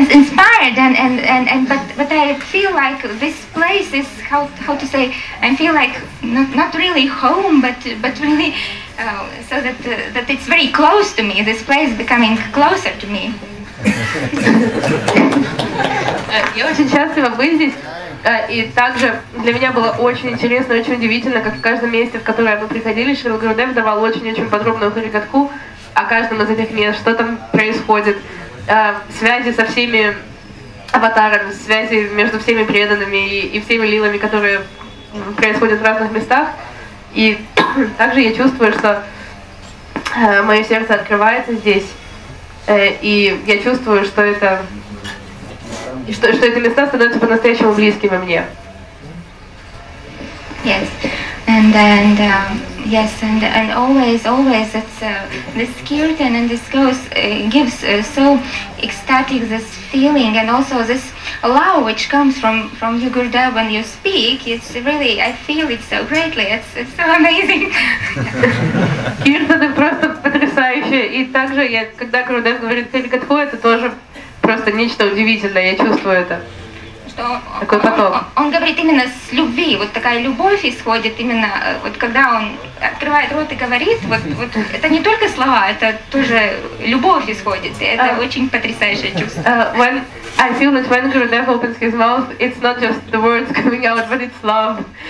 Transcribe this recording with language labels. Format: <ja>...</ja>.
<en>inspired, but I feel like this place is how to say I feel like not really home but really that it's very close to me. This place is becoming closer to me.</en> <ru>Я очень счастлива быть здесь, и также для меня было очень интересно, очень удивительно, как в каждом месте, в которое мы приходили, Шрила Гурудев давал очень подробную харикатху о каждом из этих мест, что там происходит. Связи со всеми аватарами, связи между всеми преданными и всеми лилами, которые происходят в разных местах. И также я чувствую, что мое сердце открывается здесь. И я чувствую, что что эти места становятся по-настоящему близкими мне.</ru> <en>Yes. And always it's this kirtan and this goes gives so ecstatic this feeling, and also this love which comes from you, Gurudev, when you speak. It's really, I feel it so greatly. It's so amazing. Kirtan is</en> <ru>просто потрясающе, и также я когда Гурудев говорит харикатху, это тоже просто нечто удивительное. Я чувствую это. Он говорит именно с любви, вот такая любовь исходит именно, вот когда он открывает рот и говорит, вот это не только слова, это тоже любовь исходит, и это очень потрясающее чувство.</ru> <en>When I feel that when Gurudev opens his mouth, it's not just the words coming out, but it's love.</en>